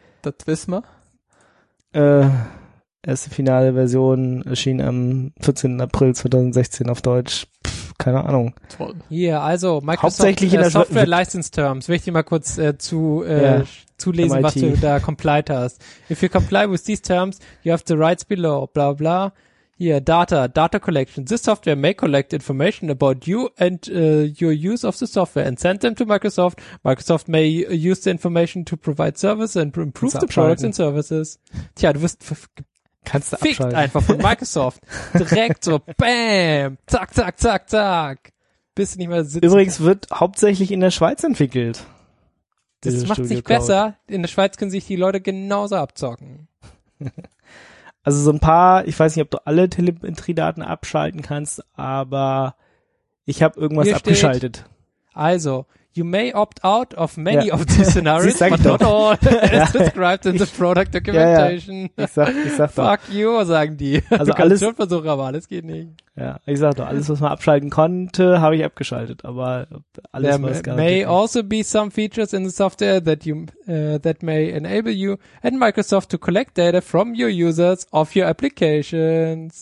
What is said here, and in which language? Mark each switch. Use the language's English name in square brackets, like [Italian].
[German] Das wissen wir. erste finale Version erschien am 14. April 2016 auf Deutsch. Keine Ahnung. Toll. Hier, yeah, also Microsoft hauptsächlich in der Software License Terms. Will ich dir mal kurz zulesen, MIT. Was du da complied hast. [English] If you comply with these terms, you have the rights below, bla bla. Hier, Data Collection. This software may collect information about you and your use of the software and send them to Microsoft. Microsoft may use the information to provide services and improve the products and services. [German] Tja, du wirst kannst du abschalten. Fickt einfach von Microsoft. Direkt so, bam, zack, zack, zack, zack. Bist du nicht mehr sitzen. Übrigens wird hauptsächlich in der Schweiz entwickelt. Das macht Studio sich Cloud. Besser. In der Schweiz können sich die Leute genauso abzocken. Also so ein paar, ich weiß nicht, ob du alle Telemetriedaten abschalten kannst, aber ich habe irgendwas hier abgeschaltet. Steht, also, [English] you may opt out of many of these scenarios, but not all, as described in the product documentation. [German] Ich sag doch. [English] Fuck you, [German] sagen die. Also du kannst schon versuchen, aber alles geht nicht. Ja, ich sag doch, alles, was man abschalten konnte, habe ich abgeschaltet, aber alles, [English] there [German] was gar [English] may also be some features in the software that you, that may enable you and Microsoft to collect data from your users of your applications.